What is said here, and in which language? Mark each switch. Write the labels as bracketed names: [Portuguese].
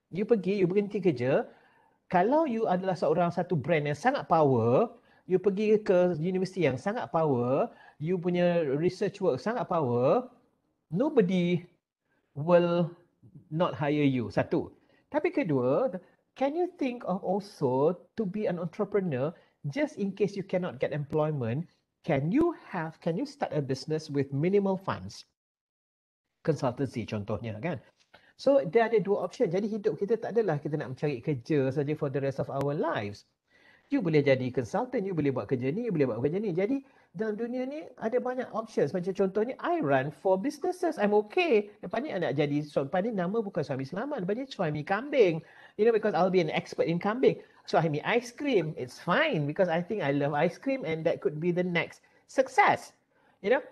[Malay] You pergi, you berhenti kerja. Kalau you adalah seorang satu brand yang sangat power, you pergi ke universiti yang sangat power, you punya research work sangat power, [English] nobody will not hire you. [Malay] Satu. Tapi kedua, [English] can you think of also to be an entrepreneur? Just in case you cannot get employment, can you start a business with minimal funds? Consultancy [Malay] contohnya kan. [English] So there are dua option. [Malay] Jadi hidup kita tak adalah kita nak mencari kerja saja [English] for the rest of our lives. [Malay] You boleh jadi consultant, you boleh buat kerja ni, you boleh buat kerja ni. Jadi dalam dunia ni ada banyak options. Macam contohnya, [English] I run for businesses, I'm okay. [Malay] Lepas ni I nak jadi, so, lepas ni nama bukan Suhaimi Sulaiman, lepas ni Suhaimi Kambing. [English] You know, because I'll be an expert in kambing. So I mean ice cream, it's fine because I think I love ice cream and that could be the next success, you know.